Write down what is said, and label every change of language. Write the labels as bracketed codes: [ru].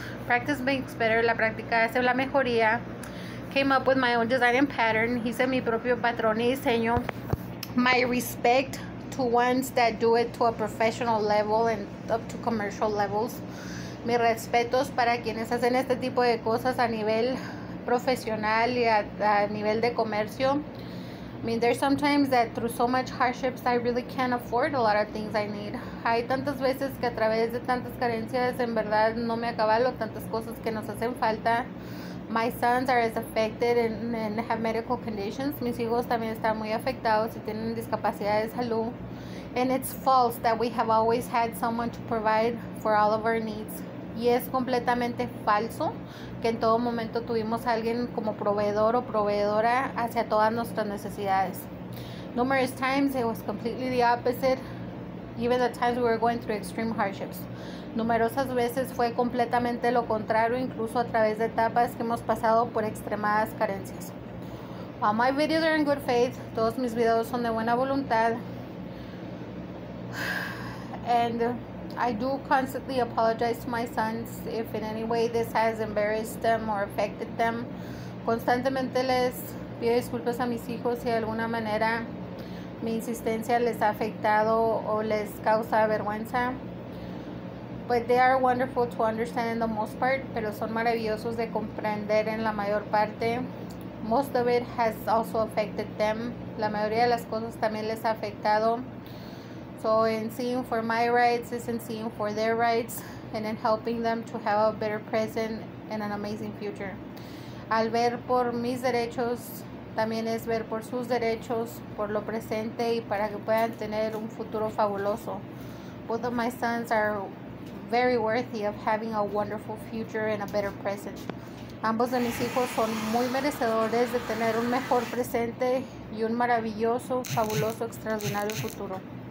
[en] Practice makes better, [es] la práctica hace la mejoría. [en] Came up with my own design and pattern, [es] hice mi propio patrón y diseño. [en] My respect to ones that do it to a professional level and up to commercial levels. [es] Mis respetos para quienes hacen este tipo de cosas a nivel profesional y a nivel de comercio. [en] I mean, there's sometimes that through so much hardships, I really can't afford a lot of things I need. [es] Hay tantas veces que a través de tantas carencias, en verdad, no me acabalo tantas cosas que nos hacen falta. [en] My sons are as affected and have medical conditions. [es] Mis hijos también están muy afectados y tienen discapacidad de salud. [en] And it's false that we have always had someone to provide for all of our needs. [es] Y es completamente falso que en todo momento tuvimos a alguien como proveedor o proveedora hacia todas nuestras necesidades. [en] Numerous times it was completely the opposite, even the times we were going through extreme hardships. [es] Numerosas veces fue completamente lo contrario, incluso a través de etapas que hemos pasado por extremadas carencias. [en] All my videos are in good faith. [es] Todos mis videos son de buena voluntad. [en] And I do constantly apologize to my sons if in any way this has embarrassed them or affected them. [es] Constantemente les pido disculpas a mis hijos si de alguna manera mi insistencia les ha afectado o les causa vergüenza. [en] But they are wonderful to understand in the most part, [es] pero son maravillosos de comprender en la mayor parte. [en] Most of it has also affected them. [es] La mayoría de las cosas también les ha afectado. [en] So in seeing for my rights, is in seeing for their rights, and in helping them to have a better present and an amazing future. [es] Al ver por mis derechos, también es ver por sus derechos, por lo presente y para que puedan tener un futuro fabuloso. [en] Both of my sons are very worthy of having a wonderful future and a better present. [es] Ambos de mis hijos son muy merecedores de tener un mejor presente y un maravilloso, fabuloso, extraordinario futuro.